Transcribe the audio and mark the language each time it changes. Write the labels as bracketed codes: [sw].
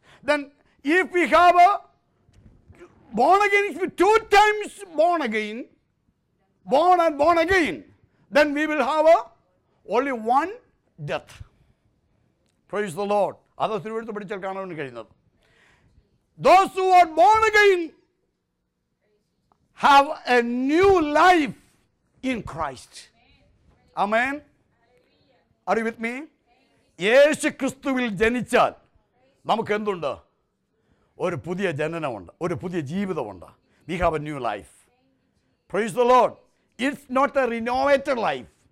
[en] Then if we have born again, if we two times born again, born and born again, then we will have only one death. Praise the Lord. [ml] അത് തിരുവെഴുത്ത് പഠിച്ചാൽ കാണാൻ കഴിയുന്നത്. [en] Those who are born again have a new life in Christ. Amen. Are you with me? [ml] യേശു ക്രിസ്തുവിൽ ജനിച്ചാൽ നമുക്ക് എന്തുണ്ട്? ഒരു പുതിയ ജനനമുണ്ട്, ഒരു പുതിയ ജീവിതമുണ്ട്. [en] We have a new life. Praise the Lord. It's not a renovated life.